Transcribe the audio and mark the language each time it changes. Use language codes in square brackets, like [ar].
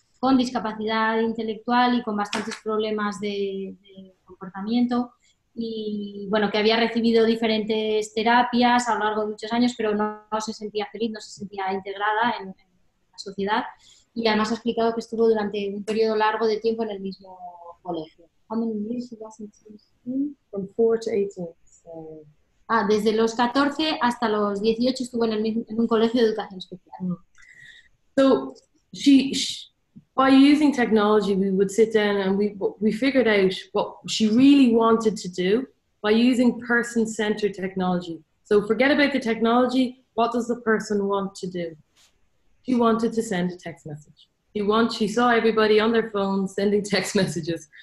[es] con discapacidad intelectual y con bastantes problemas de comportamiento, y bueno, que había recibido diferentes terapias a lo largo de muchos años, pero no se sentía feliz, no se sentía integrada en la sociedad, y además ha explicado que estuvo durante un periodo largo de tiempo en el mismo colegio. [en] How many years he was in school? From 4 to 18. [es] Ah, desde los 14 hasta los 18 estuvo en el mismo, en un colegio de educación especial. [en] So by using technology, we would sit down and we figured out what she really wanted to do by using person-centered technology. So forget about the technology, what does the person want to do? She wanted to send a text message. She saw everybody on their phones sending text messages.